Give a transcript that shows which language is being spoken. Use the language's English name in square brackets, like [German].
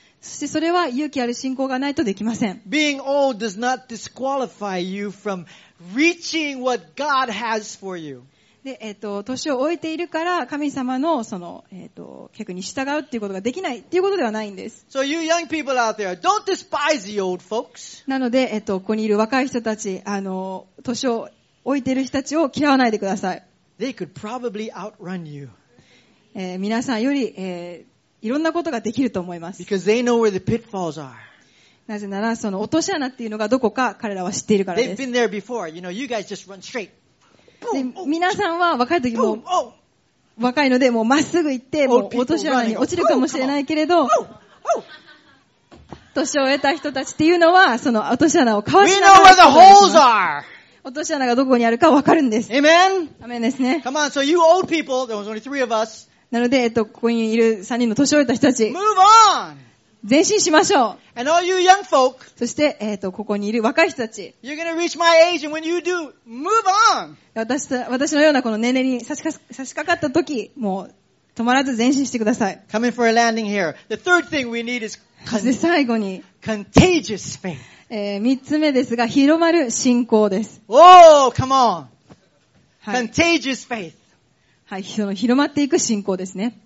[Japanese] そしてそれは勇気ある信仰がないとできません。 [English] Being old does not disqualify you from reaching what God has for you. [Japanese] で、歳を老いているから神様のその、計画に従うっていうことができないっていうことではないんです。 [English] So you young people out there, don't despise the old folks. [Japanese] なので、ここにいる若い人たち、歳を老いている人たちを嫌わないでください。 [English] They could probably outrun you. [Japanese] 皆さんより、いろんなことができると思います。 [English] Because they know where the pitfalls are. [Japanese] なぜなら、その落とし穴っていうのがどこか彼らは知っているからです。 [English] They've been there before. You know, you guys just run straight. [Japanese] で皆さんは若い時も若いのでもうまっすぐ行ってもう落とし穴に落ちるかもしれないけれど年を得た人たちっていうのはその落とし穴をかわしながら落とします。落とし穴がどこにあるかわかるんです。アメン。アメンですね。 [English] Come on, so you old people, there was only three of us. [Japanese] なのでここにいる3人の年を得た人たち [English] Move on! [Japanese] 前進しましょう。 [English] And all you young folk, [Japanese] そしてここにいる若い人たち [English] You're gonna reach my age and when you do, move on! [Japanese] 私のようなこの年齢に差し掛かった時もう止まらず前進してください。 [English] Coming for a landing here. The third thing we need is contagious faith. [Japanese] 三つ目ですが広まる信仰です。 [English] Oh, come on! Contagious faith. [Japanese] はい、その広まっていく信仰ですね。